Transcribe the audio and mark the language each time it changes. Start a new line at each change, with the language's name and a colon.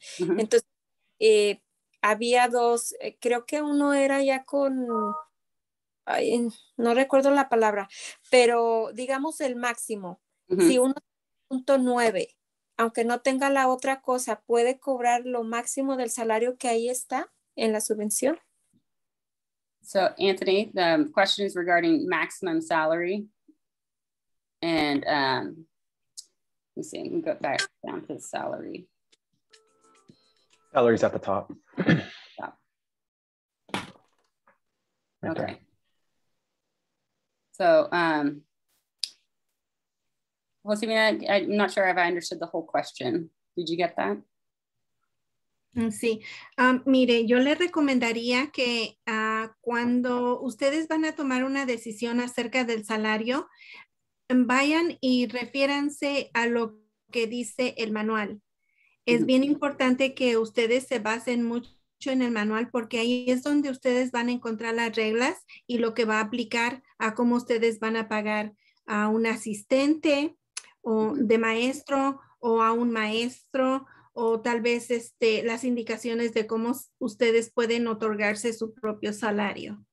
Spanish: Entonces, había dos, creo que uno era ya con, ay, no recuerdo la palabra, pero digamos el máximo. Si uno es 1.9, aunque no tenga la otra cosa, ¿puede cobrar lo máximo del salario que ahí está en la subvención?
English: So, Anthony, the question is regarding maximum salary. And let me see, we go back down to the salary. Salary's at the top. Yeah. Okay. Okay. So, well, Simina, I'm not sure if I understood the whole question. Did you get that?
Spanish: Sí, mire, yo le recomendaría que cuando ustedes van a tomar una decisión acerca del salario, vayan y refiéranse a lo que dice el manual. Es bien importante que ustedes se basen mucho en el manual porque ahí es donde ustedes van a encontrar las reglas y lo que va a aplicar a cómo ustedes van a pagar a un asistente o de maestro o a un maestro, o tal vez las indicaciones de cómo ustedes pueden otorgarse su propio salario.